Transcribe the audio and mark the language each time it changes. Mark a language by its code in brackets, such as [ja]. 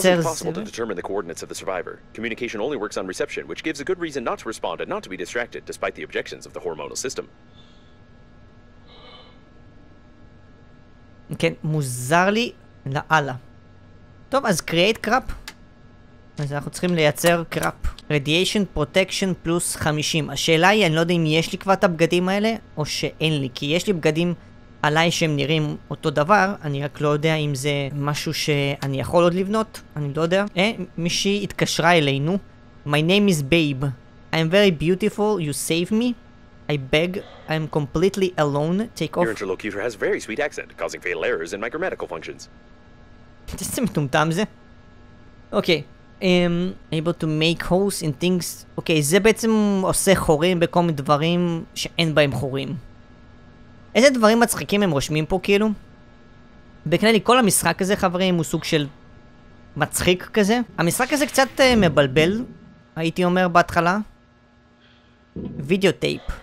[en] זה. It was impossible to determine the coordinates of the survivor. Communication only works on reception, which gives a good reason not to respond and not to be distracted, despite the objections of the hormonal system. [he] כן, מוזר לי לאללה. טוב, אז [en] create crap. [he] אז אנחנו צריכים לייצר קראפ. [en] Radiation Protection פלוס 50. [he] השאלה היא, אני לא יודע אם יש לי כבר את הבגדים האלה, או שאין לי, כי יש לי בגדים עליי שהם נראים אותו דבר, אני רק לא יודע אם זה משהו שאני יכול עוד לבנות, אני לא יודע. מישהי התקשרה אלינו. [en] My name is Babe. I'm very beautiful, you save me. I beg, I'm completely alone, take off. Your interlocutor has very sweet accent, causing fatal errors in my grammatical functions. [he] איזה מטומטם זה? [en] אוקיי, able to make holes in things. [he] אוקיי, זה בעצם עושה חורים בכל מיני דברים שאין בהם חורים. איזה דברים מצחיקים הם רושמים פה כאילו? בכללי כל המשחק הזה חברים הוא סוג של מצחיק כזה. המשחק הזה קצת מבלבל, הייתי אומר בהתחלה. וידאו טייפ.